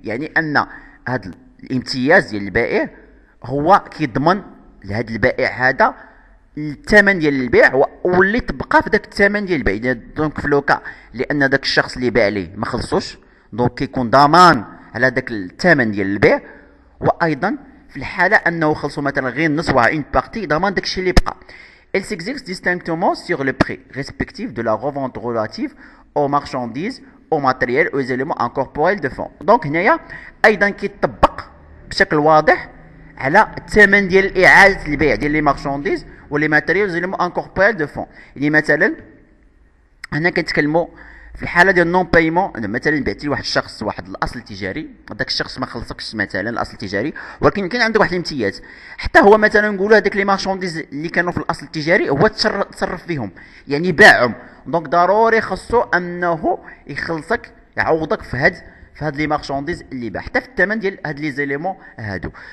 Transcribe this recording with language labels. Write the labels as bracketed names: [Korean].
[Arabic] يعني ان هذا الامتياز ديال البائع هو كيضمن لهذا البائع هذا الثمن ديال البيع واللي تبقى في داك الثمن ديال البيع. دونك في لوكا لان داك الشخص اللي باع ليه ما خلصوش دونك كيكون ضمان على داك الثمن ديال البيع وايضا في الحاله انه خلصوا مثلا غير نص واحد اون بارتي ضمان داكشي اللي بقى. [French] Il s'exerce distinctement sur le prix respectif de la revente relative aux marchandises, aux matériels, aux éléments incorporels de fonds. Donc, [Arabic] هنايا ايضا كيطبق بشكل واضح على الثمن ديال اعاده البيع ديال لي مارشانديز ولي ماتيريال زيلمو انكوربيل دو فون. يعني مثلا هنا كنتكلموا في الحاله ديال نون بايمون مثلا بعتي لواحد الشخص واحد الاصل تجاري داك الشخص ما خلصكش مثلا الاصل التجاري ولكن كان عندك واحد الامتياز حتى هو مثلا نقولوا هذوك لي مارشانديز اللي كانوا في الاصل التجاري هو تصرف فيهم يعني باعهم دونك ضروري خصو انه يخلصك يعوضك في هاد فهاد لي مارشانديز اللي باع حتى في الثمن ديال هاد لي زيليمون هادو.